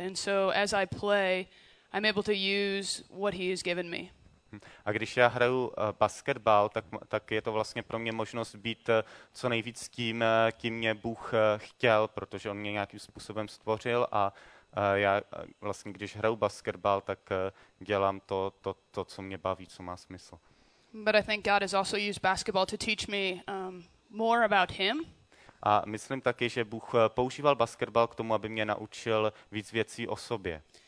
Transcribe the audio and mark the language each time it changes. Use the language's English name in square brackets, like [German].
[English] And so as I play, I'm able to use what he has given me. [Czech] A když já hraju basketbal, tak je to vlastně pro mě možnost být co nejvíc tím, kým mě Bůh chtěl, protože on mě nějakým způsobem stvořil a já vlastně, když hraju basketbal, tak dělám to, co mě baví, co má smysl. [English] But I think God has also used basketball to teach me more about him. [Czech] A myslím taky, že Bůh používal basketbal k tomu, aby mě naučil víc věcí o sobě.